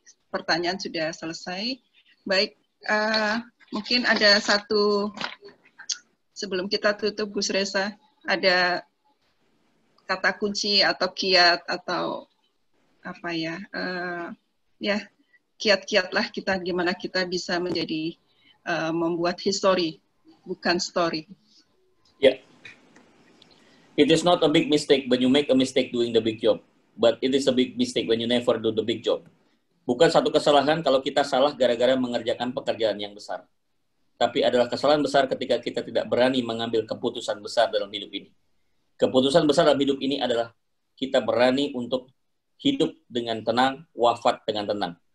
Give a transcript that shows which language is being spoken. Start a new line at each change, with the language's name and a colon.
Indonesian: Pertanyaan sudah selesai. Baik, mungkin ada satu, sebelum kita tutup Gus Reza, ada kata kunci atau kiat atau apa ya, ya kiat-kiat lah kita gimana kita bisa menjadi membuat history, bukan story.
English: Yeah. It is not a big mistake when you make a mistake doing the big job, but it is a big mistake when you never do the big job.
Indonesian: Bukan satu kesalahan kalau kita salah gara-gara mengerjakan pekerjaan yang besar. Tapi adalah kesalahan besar ketika kita tidak berani mengambil keputusan besar dalam hidup ini. Keputusan besar dalam hidup ini adalah kita berani untuk hidup dengan tenang, wafat dengan tenang.